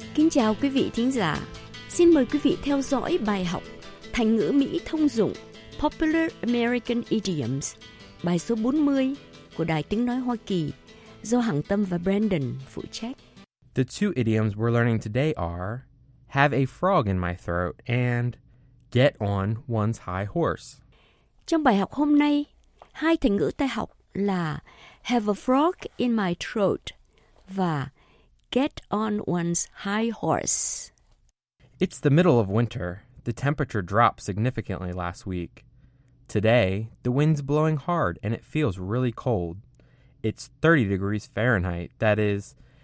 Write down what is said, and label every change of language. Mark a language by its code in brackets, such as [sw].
[vi] Chào quý vị thính giả. Xin mời quý vị theo dõi bài học thành ngữ Mỹ thông dụng [en] Popular American Idioms, [vi] bài số 40 của Đài Tiếng Nói Hoa Kỳ do Hằng Tâm và Brandon phụ trách. [en] The two idioms we're learning today are have a frog in my throat and get on one's high horse. [vi] Trong bài học hôm nay, hai thành ngữ ta học là [en] have a frog in my throat [vi] và [en] get on one's high horse. It's the middle of winter. The temperature dropped significantly last week. Today, the wind's blowing hard and it feels really cold. It's 30 degrees Fahrenheit, that is,